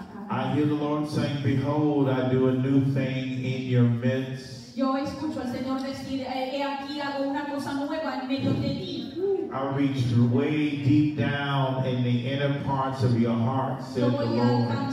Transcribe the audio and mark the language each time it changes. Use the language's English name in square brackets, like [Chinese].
[English] I hear the Lord saying, behold, I do a new thing in your midst. [Spanish] Yo escucho al Señor decir, he aquí hago una cosa nueva en medio de ti. [English] I reached way deep down in the inner parts of your heart, said the Lord.